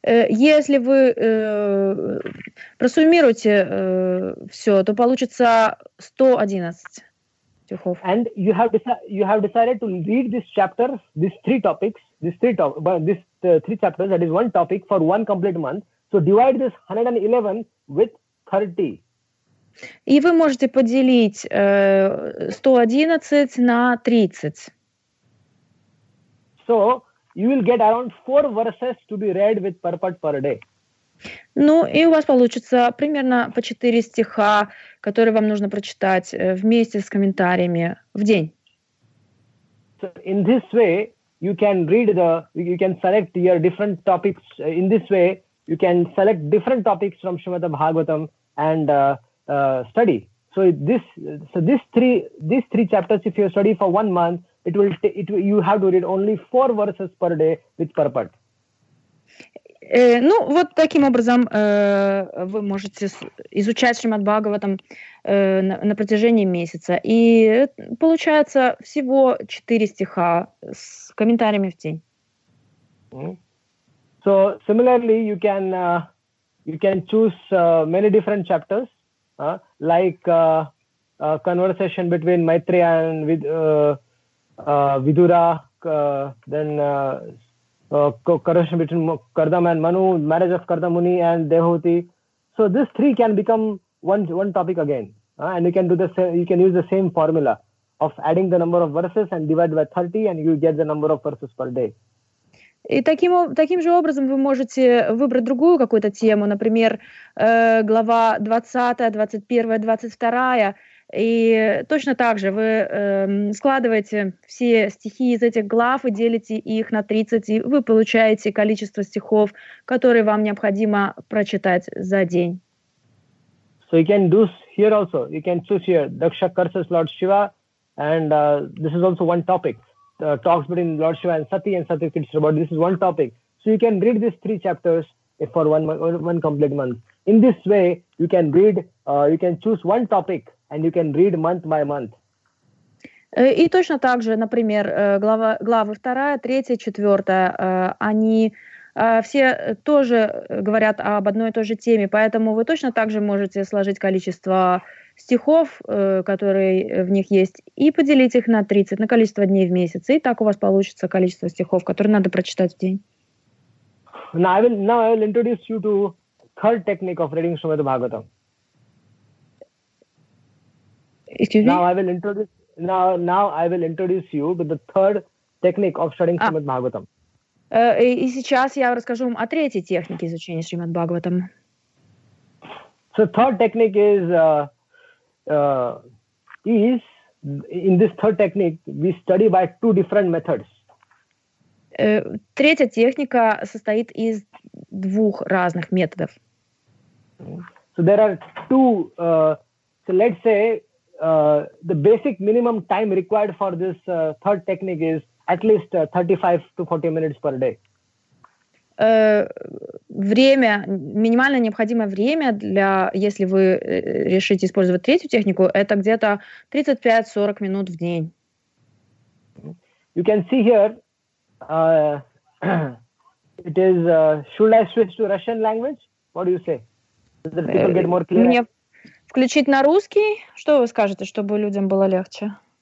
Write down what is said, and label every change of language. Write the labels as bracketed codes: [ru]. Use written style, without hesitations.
[ru] Если вы просуммируете все, то получится 111. [en] And you have decided to read this chapter, these three chapters, that is one topic for one complete month. So divide this 111 with 30. [ru] И вы можете поделить 111 на 30. [en] So you will get around 4 verses to be read with purport per day. [ru] Ну, и у вас получится примерно по 4 стиха, которые вам нужно прочитать вместе с комментариями в день. [en] So in this way, you can read you can select different topics from Shrimad Bhagavatam and study. So these three chapters, if you study for one month, you have to read only 4 verses per day with purport. [ru] Ну, вот таким образом вы можете изучать Шримад-Бхагаватам на протяжении месяца. И получается всего 4 стиха с комментариями в день. [en] So, similarly, you can choose many different chapters, like conversation between Maitreya and Vidura, conversation between Kardam and Manu, marriage of Kardamuni and Devahuti. So these three can become one topic again. And you can use the same formula of adding the number of verses and divide by 30 and you get the number of verses per day. [ru] И таким же образом вы можете выбрать другую какую-то тему, например, глава 20, 21, 22. И точно так же вы складываете все стихи из этих глав и делите их на 30, и вы получаете количество стихов, которые вам необходимо прочитать за день. [en] So you can do here also. You can choose here. Daksha curses Lord Shiva, and this is also one topic. Talks between Lord Shiva and Sati Krishna, but this is one topic. So you can read these three chapters for one complete month. In this way, you can read, you can choose one topic, and you can read month by month. [ru] И точно так же, например, главы 2, 3, 4, они все тоже говорят об одной и той же теме, поэтому вы точно так же можете сложить количество стихов, которые в них есть, и поделить их на 30, на количество дней в месяц. И так у вас получится количество стихов, которые надо прочитать в день. [en] Now I will introduce you to third technique of reading Shrimad Bhagavatam. Excuse me? Now I will introduce you to the third technique of studying Shrimad Bhagavatam. [ru] И сейчас я расскажу вам о третьей технике изучения Шримад Бхагаватам. [en] So third technique is in this third technique we study by two different methods. [ru] Третья техника состоит из двух разных методов. [en] So there are two. So let's say the basic minimum time required for this third technique is at least 35 to 40 minutes per day. [ru] Время, минимально необходимое время для, если вы решите использовать третью технику, это где-то 35-40 минут в день. [en] You can see here, it is, should I switch to Russian language? What do you say? So that people get more clear? [ru] Мне включить на русский? Что вы скажете, чтобы людям было легче?